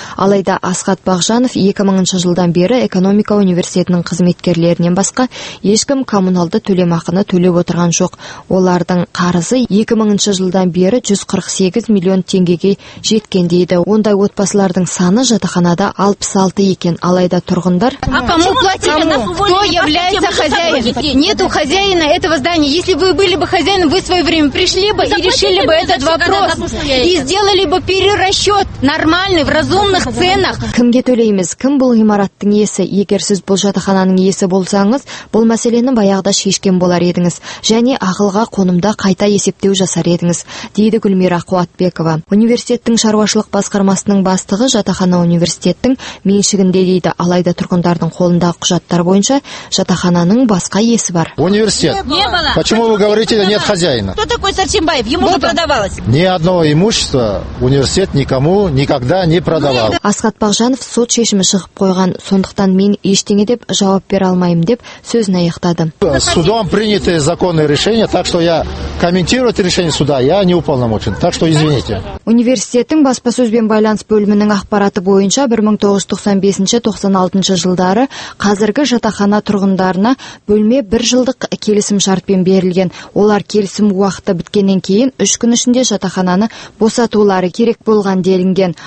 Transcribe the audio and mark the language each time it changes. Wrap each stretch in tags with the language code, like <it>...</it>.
<kk>Алайда Асхат Бағжанов 2000 жылдан бері экономика университетінің қызметкерлерінен басқа ешкім коммуналды төлемақыны төлеп отырған жоқ. Олардың қарызы 2000 жылдан бері 148 миллион теңгеге жеткен дейді. Ондай отбасылардың саны жатақханада 66 екен. Алайда тұрғындар:</kk> <ru>"А кому платить? Кто является хозяином? Нету хозяина этого здания. Если вы были бы хозяином, вы в своё время пришли бы и решили бы этот вопрос и сделали бы перерасчёт нормальный в разумных ценах."</ru> <kk>Кімге төлейміз? Кім бұл ғимараттың иесі? Егер сіз бұл жатақхананың иесі болсаңыз, бұл мәселені баяғыда шешкен болар едіңіз және ақылға қонымда қайта есептеу жасар едіңіз, дейді Гүлмира Қуатбекова. Университеттің шаруашылық басқармасының бастығы жатақхана университеттің меншігінде дейді, алайда тұрғындардың қолындағы құжаттар бойынша жатақхананың басқа иесі бар. Университет.</kk> <ru>Почему вы говорите, нет хозяина? Кто такой Сарчинбаев? Ему же продавалось. Ни одного имущества университет никому никогда не продавал.</ru> <kk>Асхат Бағжанов сот шешімі шығып қойған, сондықтан мен ештеңе деп жауап бере алмаймын деп сөзін аяқтады.</kk> <ru>Судом принято законное решение, так что я комментировать решение суда я не уполномочен. Так что извините.</ru> <kk>Университеттің баспасөз бен байланыс бөлімінің ақпараты бойынша 1995-96 жылдары қазіргі жатақхана тұрғындарына бөлме 1 жылдық келісім шартпен берілген. Олар келісім уақыты біткеннен кейін 3 күн ішінде жатақхананы босатулары керек болған делінген.</kk>